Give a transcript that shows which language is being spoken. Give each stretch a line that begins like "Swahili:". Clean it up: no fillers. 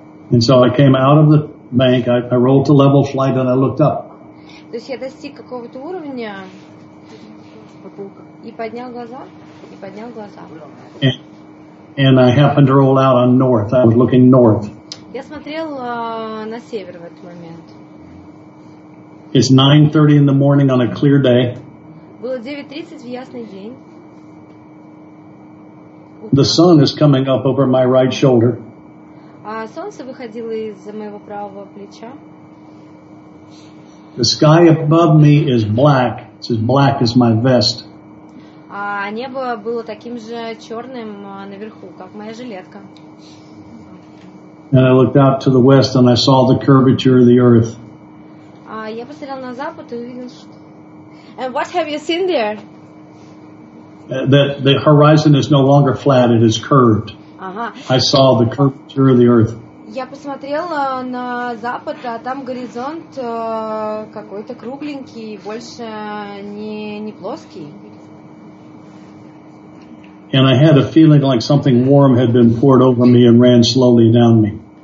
English: And so I came out of the bank, I rolled to level flight and I looked up.
Russian: То есть я достиг какого-то уровня и поднял глаза, и поднял глаза.
English: And I happened to roll out on north. I was looking north.
Russian: Я смотрел на север в этот момент.
English: It's 9:30 in the morning on a clear day.
Russian: Было 9:30 в ясный день.
English: The sun is coming up over my right shoulder.
Russian: А солнце выходило из-за моего правого плеча.
English: The sky above me is black. It's as black as my vest.
Russian: А небо было таким же черным наверху, как моя жилетка.
English: And I looked out to the west and I saw the curvature of the earth.
Russian: Я посмотрел на запад и увидел, что...
English: And what have you seen there? That the horizon is no longer flat, it is curved. I saw the curvature of the earth.
Russian: Я посмотрел на запад, а там горизонт какой-то кругленький, больше не плоский.
English: And I had a feeling like something warm had been poured over me and ran slowly down me.